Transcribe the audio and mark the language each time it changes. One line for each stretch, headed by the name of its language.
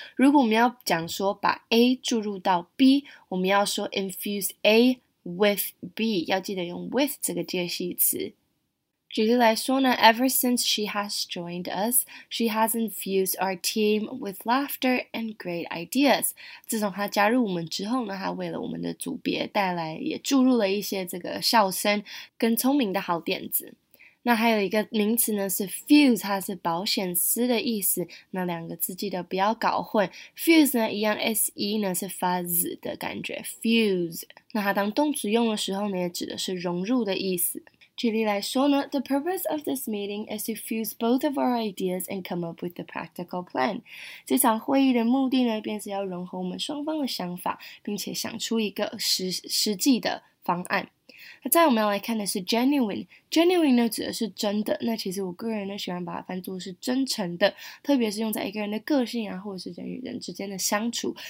Chinese: 如果我们要讲说把 a 注入到 b， 我们要说 infuse a with b， 要记得用 with 这个介系词。举例来说呢
English: ，Ever since she has joined us, she has infused our team with laughter and great ideas。
Chinese: 自从她加入我们之后呢，她为了我们的组别带来也注入了一些这个笑声跟聪明的好点子。那还有一个名词呢是 fuse， 它是保险丝的意思。那两个字记得不要搞混。 fuse 呢一样 ，se 呢是发 z 的感觉 ，fuse。那它当动词用的时候呢，也指的是融入的意思。举例来说呢
English: ，The purpose of this meeting is to fuse both of our ideas and come up with a practical plan.
Chinese: 这场会议的目的呢，便是要融合我们双方的想法，并且想出一个实际的方案。那再我们要来看的是 genuine， genuine 呢指的是真的。那其实我个人呢喜欢把它翻作是真诚的，特别是用在一个人的个性啊，或者是人与人之间的相处。